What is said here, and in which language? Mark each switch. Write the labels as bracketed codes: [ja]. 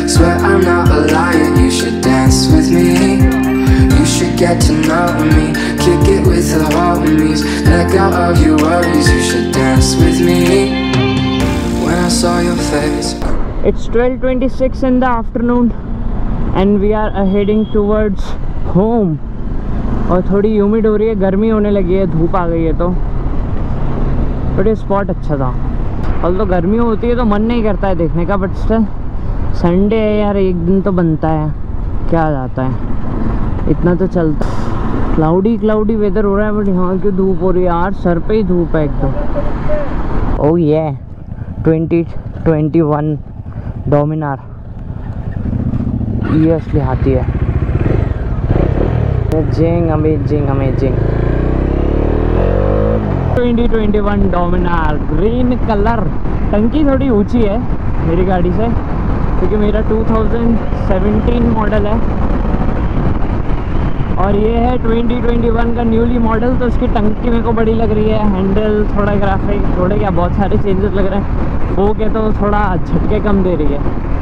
[en] Swear I'm not a liar, you should dance with me. You should get to know me, kick it with the homies. Let go of your worries, you should dance with me. When I saw your face. It's 12:26 in the afternoon and we are heading towards home. [hi] और थोड़ी humid हो रही है, गर्मी होने लगी है, धूप आ गई है तो। बट ये स्पॉट अच्छा था। अल तो गर्मी होती है तो मन नहीं करता है देखने का, बट स्टिल संडे है यार, एक दिन तो बनता है, क्या जाता है, इतना तो चलता। क्लाउडी क्लाउडी वेदर हो रहा है बट यहाँ क्यों धूप हो रही है यार, सर पे ही धूप है एकदम। ओ ये 2021 डोमिनार ये असली हाथी है। [en] Amazing, amazing, amazing. 2021 Dominar, green color. [hi] टंकी थोड़ी ऊंची है मेरी गाड़ी से, क्योंकि मेरा 2017 मॉडल है और ये है 2021 का न्यूली मॉडल, तो उसकी टंकी मेरे को बड़ी लग रही है। हैंडल थोड़ा ग्राफिक थोड़े क्या बहुत सारे चेंजेस लग रहे हैं, वो क्या तो थोड़ा झटके कम दे रही है।